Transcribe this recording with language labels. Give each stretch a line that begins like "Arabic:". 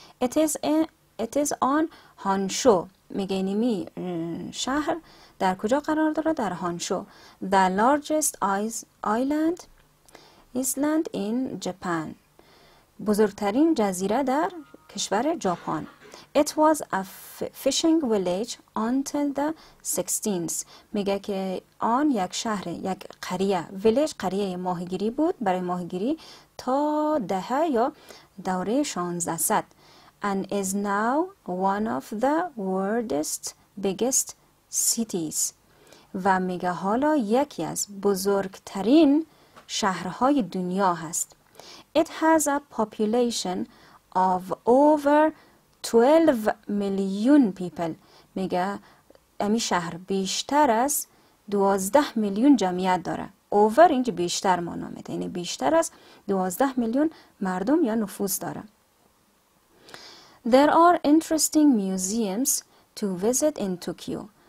English: It is on Honshu.
Persian: میگه اینمی شهر در کجا قرار داره؟ در هانشو.
English: The largest island in Japan.
Persian: بزرگترین جزیره در کشور ژاپن.
English: It was a fishing village until the 16th.
Persian: میگه که آن یک شهر، یک قریه، ویلیج، قریه ماهیگیری بود برای ماهیگیری تا دهه یا دوره 1600.
English: And is now one of the world's biggest cities.
Persian: و میگه حالا یکی از بزرگترین شهرهای دنیا هست.
English: It has a population of over 12 million people.
Persian: میگه امی شهر بیشتر از 12 میلیون جمعیت داره. Over اینجا بیشتر ما نامده. یعنی بیشتر از 12 میلیون مردم یا نفوذ داره.
English: There are interesting museums to visit in Tokyo.